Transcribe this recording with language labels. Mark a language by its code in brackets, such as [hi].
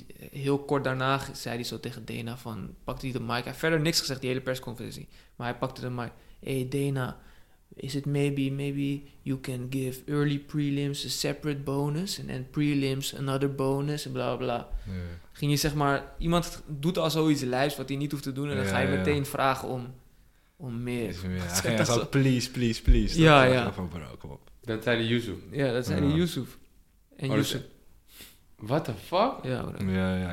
[nl] heel kort daarna zei hij zo tegen Dana van, pakte hij de mic. Hij heeft verder niks gezegd, die hele persconferentie. Maar hij pakte de mic. Hey Dana, [en] is it maybe you can give early prelims a separate bonus and then prelims another bonus [nl] en bla bla bla. [en] Yeah. [nl] Ging je zeg maar, iemand doet al zoiets lijfs wat hij niet hoeft te doen en dan ga je meteen vragen om meer. Ja, hij ging zo, please. Dat ja. Van bro, kom op. Dat zei de Yusuf. Ja, dat zei de Yusuf. En Yusuf. [en] What the fuck? [nl] Ja,